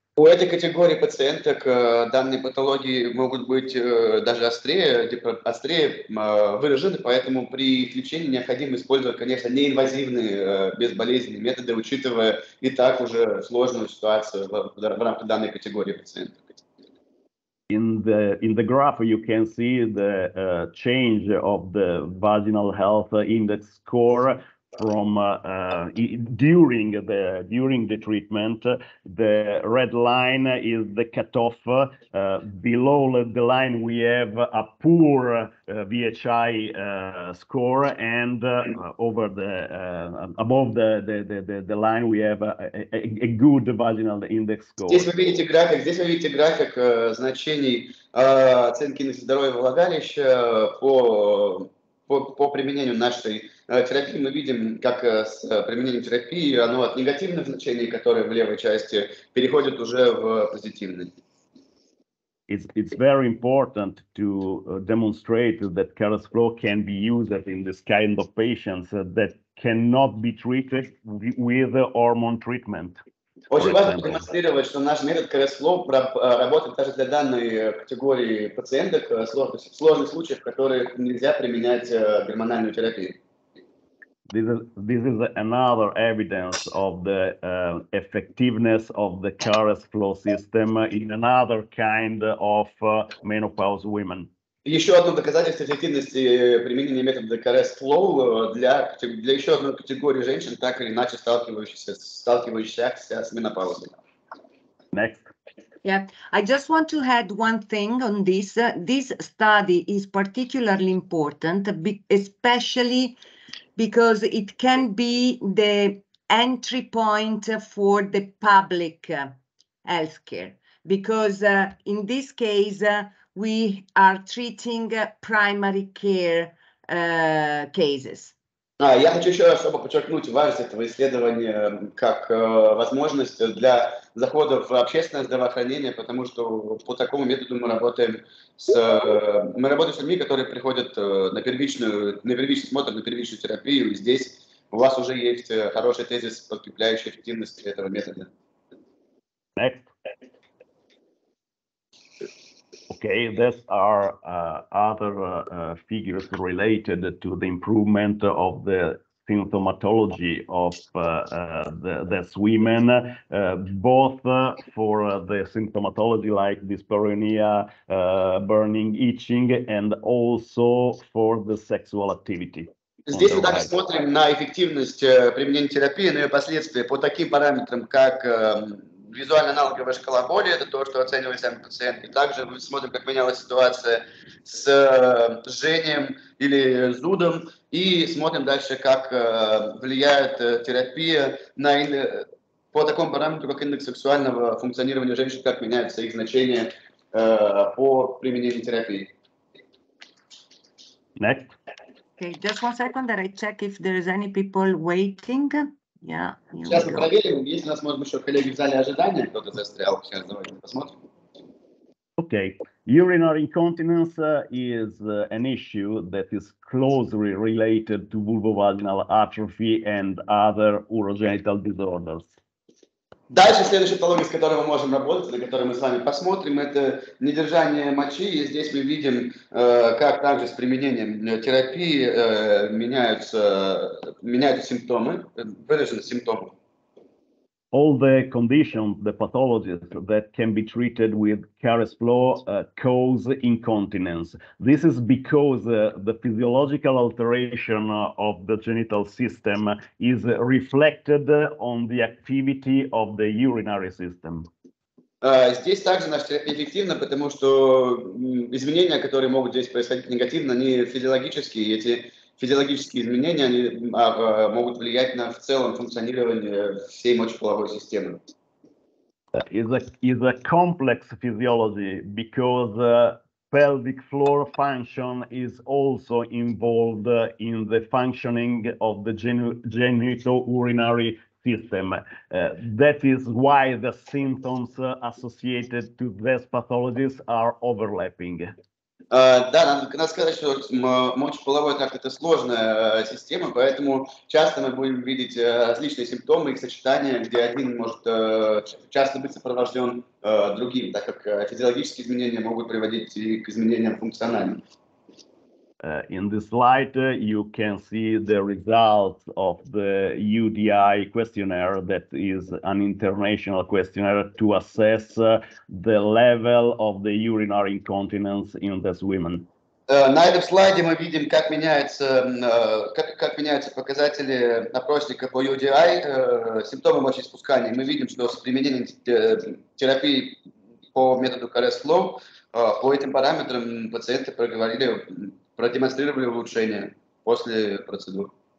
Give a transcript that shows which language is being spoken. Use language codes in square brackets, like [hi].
[ru] У этой категории пациенток данные патологии могут быть даже острее выражены, поэтому при их лечении необходимо использовать, конечно, неинвазивные безболезненные методы, учитывая и так уже сложную ситуацию в рамках данной категории пациентов. [en] In the graph, you can see the change of the vaginal health index score from during the treatment. The red line is the cutoff. Below the line, we have a poor VHI score, and over the above the line, we have a good vaginal index score. [ru] Здесь вы видите график значений оценки здоровья влагалища по применению нашей терапии. Мы видим, как с применением терапии оно от негативных значений, которые в левой части, переходит уже в позитивные. [en] It's very important to demonstrate that Carrasclaw can be used in this kind of patients that cannot be treated with hormone treatment. [ru] Очень важно демонстрировать, что наш метод Carrasclaw работает даже для данной категории пациенток, сложных случаев, в которых нельзя применять гормональную терапию. [en] This is another evidence of the effectiveness of the Carrasclaw system in another kind of menopause women. [ru] Еще одно доказательство эффективности применения метода Carrasclaw для еще одной категории женщин, так или иначе сталкивающихся с менопаузой. [en] Next. Yeah, I just want to add one thing on this. This study is particularly important, especially because it can be the entry point for the public healthcare. Because in this case, we are treating primary care cases. [ru] Я хочу еще особо подчеркнуть важность этого исследования как возможность для захода в общественное здравоохранение, потому что по такому методу мы работаем с людьми, которые приходят на первичный смотр, на первичную терапию, и здесь у вас уже есть хороший тезис, подкрепляющий эффективность этого метода. [en] Next. Okay, these are other figures related to the improvement of the symptomatology of these women, both for the symptomatology like dyspareunia, burning, itching, and also for the sexual activity. [ru] Здесь мы также смотрим на эффективность применения терапии, на ее последствия по таким параметрам, как визуально-аналоговая шкала боли, это то, что оценивает сами пациент. И также мы смотрим, как менялась ситуация с жжением или зудом. И смотрим дальше, как влияет терапия по такому параметру, как индекс сексуального функционирования женщин, как меняются их значения по применению терапии. [en] Next. Okay, just one second that I check if there is any people waiting. Yeah. [ru] Сейчас мы проверим, есть у нас, может быть, еще коллеги в зале ожидания, кто-то застрял. Сейчас давайте посмотрим. [en] Okay, urinary incontinence is an issue that is closely related to vulvovaginal atrophy and other urogenital disorders. [ru] Дальше следующая патология, с которой мы можем работать, на которой мы с вами посмотрим, это недержание мочи. И здесь мы видим, как также с применением терапии меняются симптомы, выраженность симптомов. [en] All the conditions, the pathologies that can be treated with CARESFLOW cause incontinence. This is because the physiological alteration of the genital system is reflected on the activity of the urinary system. [ru] Здесь также наша терапия эффективна, потому что изменения, которые могут здесь происходить негативно, они физиологические, эти физиологические изменения они могут влиять на в целом функционирование всей мочеполовой системы. [en] Is a complex physiology because pelvic floor function is also involved in the functioning of the genitourinary system. That is why the symptoms associated to these pathologies are overlapping. [ru] Да, надо сказать, что мочеполовой тракт – это сложная система, поэтому часто мы будем видеть различные симптомы, их сочетания, где один может часто быть сопровожден другим, так как физиологические изменения могут приводить и к изменениям функциональным. [en] In this slide, you can see the results of the UDI questionnaire, that is an international questionnaire to assess the level of the urinary incontinence in this woman. [ru] На этом слайде мы видим, как меняются показатели опросника по UDI, симптомы мочеиспускания. Мы видим, что с применением терапии по методу CARESFLOW по этим параметрам пациенты продемонстрировали улучшение после процедур.